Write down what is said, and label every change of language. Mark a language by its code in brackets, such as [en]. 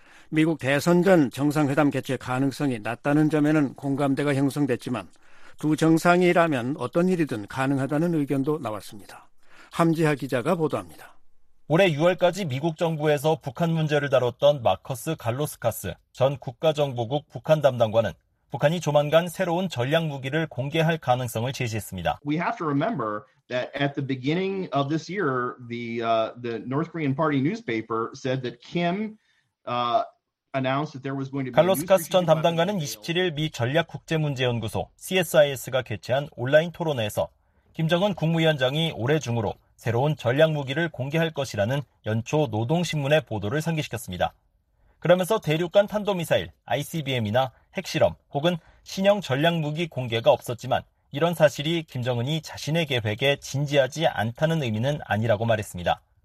[ko] 미국 대선 전 정상회담 개최 가능성이 낮다는 점에는 공감대가 형성됐지만 두 정상이라면 어떤 일이든 가능하다는 의견도 나왔습니다. 함지하 기자가 보도합니다. 올해 6월까지 미국 정부에서 북한 문제를 다뤘던 마커스 갈로스카스 전 국가정보국 북한 담당관은 북한이 조만간 새로운 전략무기를 공개할 가능성을 제시했습니다. [en] We have to remember that at the beginning of this year, the North Korean Party newspaper said that Kim announced that there was going to be. [ko] 갈로스카스 전 담당관은 27일 미 전략국제문제연구소 CSIS가 개최한 온라인 토론회에서 김정은 국무위원장이 올해 중으로 새로운 전략무기를 공개할 것이라는 연초 노동신문의 보도를 상기시켰습니다. 그러면서 대륙간 탄도미사일, ICBM이나 핵실험 혹은 신형 전략무기 공개가 없었지만 이런 사실이 김정은이 자신의 계획에 진지하지 않다는 의미는 아니라고 말했습니다.